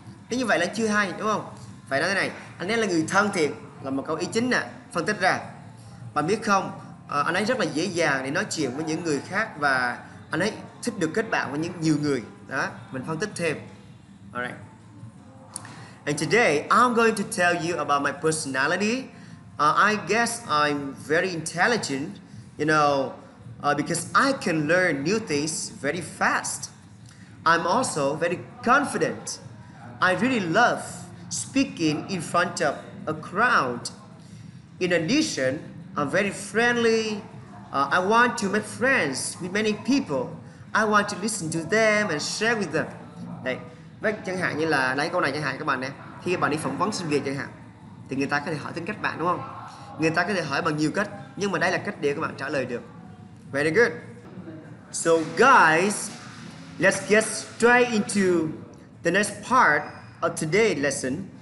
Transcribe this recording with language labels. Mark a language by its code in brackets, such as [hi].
[vi] Thế như vậy là chưa hay, đúng không? Phải nói thế này, anh ấy là người thân thiện là một câu ý chính nè, phân tích ra. Bạn biết không, anh ấy rất là dễ dàng để nói chuyện với những người khác và anh ấy thích được kết bạn với những nhiều người. Đó, mình phân tích thêm. Alright. [en] And today, I'm going to tell you about my personality. I guess I'm very intelligent. You know, Because I can learn new things very fast. I'm also very confident. I really love speaking in front of a crowd. In addition, I'm very friendly. I want to make friends with many people. I want to listen to them and share with them. [vi] Đấy. Với chẳng hạn như là lấy câu này chẳng hạn các bạn nè, khi bạn đi phỏng vấn sinh viên chẳng hạn, thì người ta có thể hỏi tính cách bạn đúng không? Người ta có thể hỏi bằng nhiều cách, nhưng mà đây là cách để các bạn trả lời được. [en] Very good. So guys, let's get straight into the next part of today's lesson.